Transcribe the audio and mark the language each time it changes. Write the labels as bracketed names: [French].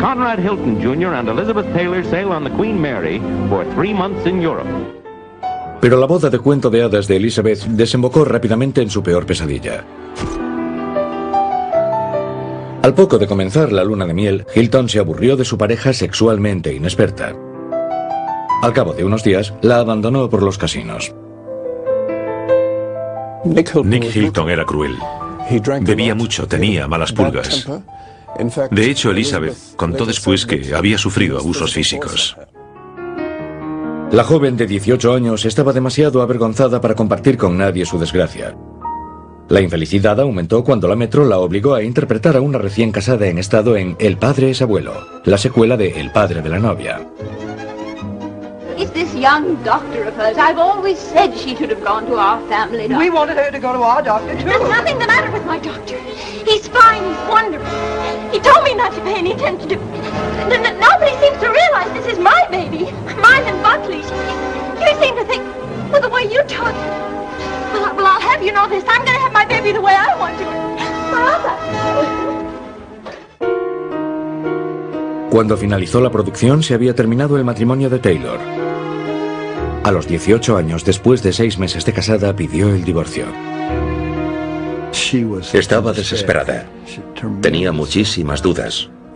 [English] Conrad Hilton Jr. and Elizabeth Taylor sail on the Queen Mary for 3 months in Europe. [Spanish] Pero la boda de cuento de hadas de Elizabeth desembocó rápidamente en su peor pesadilla. Al poco de comenzar la luna de miel, Hilton se aburrió de su pareja sexualmente inexperta. Al cabo de unos días, la abandonó por los casinos. Nick Hilton era cruel. Bebía mucho, tenía malas pulgas. De hecho, Elizabeth contó después que había sufrido abusos físicos. La joven de 18 años estaba demasiado avergonzada para compartir con nadie su desgracia. La infelicidad aumentó cuando la metro la obligó a interpretar a una recién casada en estado en El padre es abuelo, la secuela de El padre de la novia. [English] It's this young doctor of hers. I've always said she should have gone to our family doctor. We wanted her to go to our doctor too. There's nothing the matter with my doctor. He's fine, he's wonderful. He told me not to pay any attention to... Nobody seems to realize this is my baby. Mine and Buckley's. You seem to think, well, the way you talk... Well, I'll have you know this. I'm going to have my baby the way I want to. Forever. [Spanish] Cuando finalizó la producción, se había terminado el matrimonio de Taylor. A los 18 años, después de 6 meses de casada, pidió el divorcio. Estaba desesperada. Tenía muchísimas dudas.